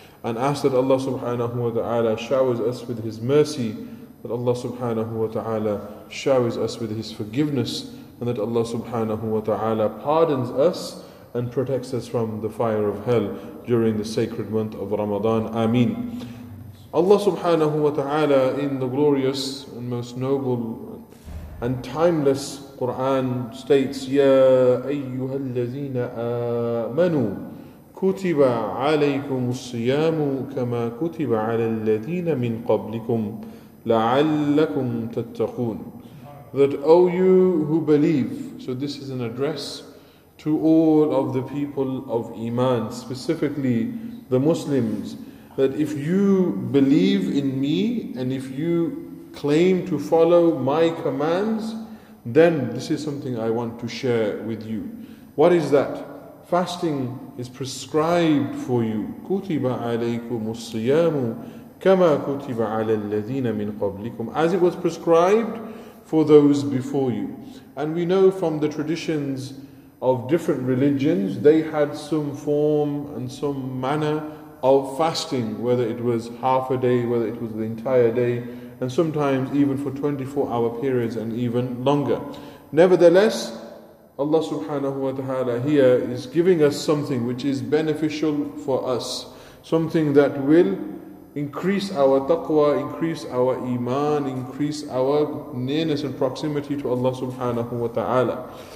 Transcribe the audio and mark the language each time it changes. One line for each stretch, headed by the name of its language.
English: And ask that Allah subhanahu wa ta'ala showers us with his mercy, that Allah subhanahu wa ta'ala showers us with his forgiveness, and that Allah subhanahu wa ta'ala pardons us and protects us from the fire of hell during the sacred month of Ramadan. Ameen. Allah subhanahu wa ta'ala in the glorious and most noble and timeless Quran states,
Arabic: يَا أَيُّهَا الَّذِينَ آمَنُوا كُتِبَ عَلَيْكُمُ الصِّيَامُ كَمَا كُتِبَ عَلَى الَّذِينَ مِنْ قَبْلِكُمْ لَعَلَّكُمْ تَتَّقُونَ.
English: That, O you who believe, so this is an address to all of the people of Iman, specifically the Muslims, that if you believe in me and if you claim to follow my commands, then this is something I want to share with you. What is that? Fasting is prescribed for you.
Arabic: كُتِبَ عَلَيْكُمُ الصِّيَامُ كَمَا كُتِبَ عَلَى الَّذِينَ مِنْ قَبْلِكُمْ,
English: as it was prescribed for those before you. And we know from the traditions of different religions, they had some form and some manner of fasting, whether it was half a day, whether it was the entire day, and sometimes even for 24-hour periods and even longer. Nevertheless, Allah subhanahu wa ta'ala here is giving us something which is beneficial for us, something that will increase our taqwa, increase our iman, increase our nearness and proximity to Allah subhanahu wa ta'ala.